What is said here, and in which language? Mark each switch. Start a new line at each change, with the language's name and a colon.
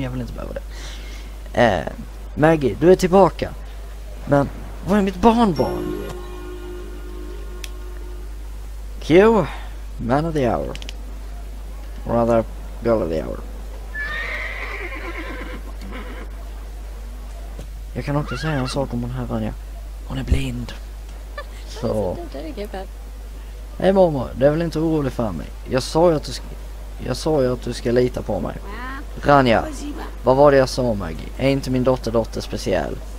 Swedish: Jag vill inte behöva det. Maggie, du är tillbaka, men var är mitt barnbarn?
English: Q, man of the hour, rather girl of the hour.
Swedish: Jag kan också säga en sak om hon här, Vanja. Hon är blind. Så. Hej mamma, du är väl inte orolig för mig? Jag sa ju att du ska, jag sa ju att du ska lita på mig. Vanja, vad var det jag sa, Maggie? Är inte min dotter speciell?